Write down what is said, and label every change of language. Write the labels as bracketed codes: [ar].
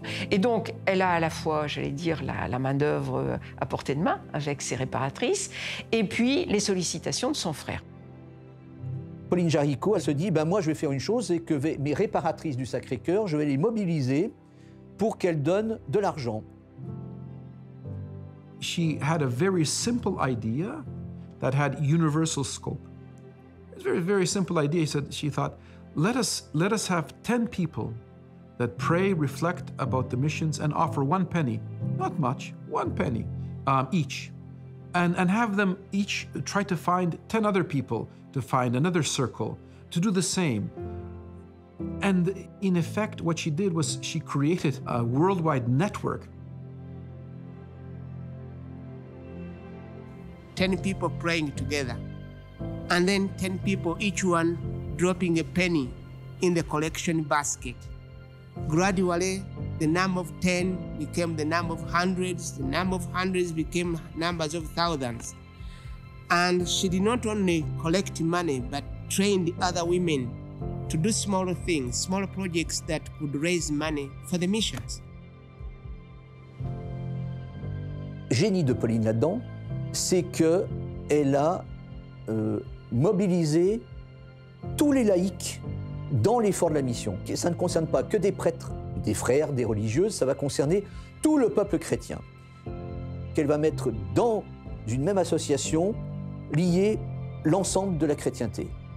[fr] Et donc, elle a à la fois, j'allais dire, la main-d'œuvre à portée de main avec ses réparatrices, et puis les sollicitations de son frère. Pauline Jaricot, elle se dit, ben moi, je vais faire une chose, c'est que mes réparatrices du Sacré-Cœur, je vais les mobiliser pour qu'elles donnent de l'argent. [en] She had a very simple idea that had universal scope. It's a very, very simple idea. She thought, let us have 10 people that pray, reflect about the missions, and offer one penny, not much, one penny each, and have them each try to find 10 other people to find another circle, to do the same. And in effect, what she did was she created a worldwide network. 10 people praying together, and then 10 people, each one dropping a penny in the collection basket. Gradually, the number of 10 became the number of hundreds, the number of hundreds became numbers of thousands. And she did not only collect money, but trained the other women to do smaller things, smaller projects that could raise money for the missions. [fr] Génie de Pauline là-dedans, c'est qu'elle a mobilisé tous les laïcs dans l'effort de la mission. Ça ne concerne pas que des prêtres, des frères, des religieuses, ça va concerner tout le peuple chrétien, qu'elle va mettre dans une même association liée l'ensemble de la chrétienté.